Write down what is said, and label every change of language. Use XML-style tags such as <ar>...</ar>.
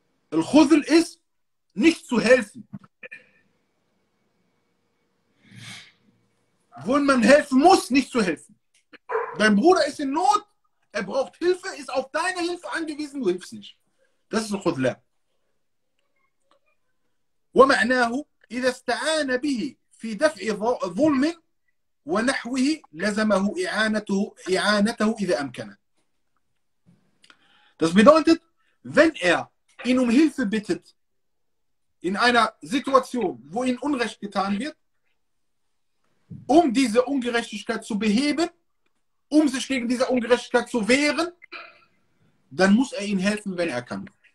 <de>Al-Khuzl ist, nicht zu helfen. Wo man helfen muss, nicht zu helfen. Dein Bruder ist in Not, er braucht Hilfe, ist auf deine Hilfe angewiesen, du hilfst nicht. Das ist Khudla.</de> <ar>ومعناه إذا استعان به في دفع ظلم ونحوه لزمه إعانته إذا أمكن.</ar> <de>Das bedeutet, wenn er ihn um Hilfe bittet, in einer Situation, wo ihm Unrecht getan wird, um diese Ungerechtigkeit zu beheben, um sich gegen diese Ungerechtigkeit zu wehren, dann muss er ihnen helfen, wenn er kann.</de>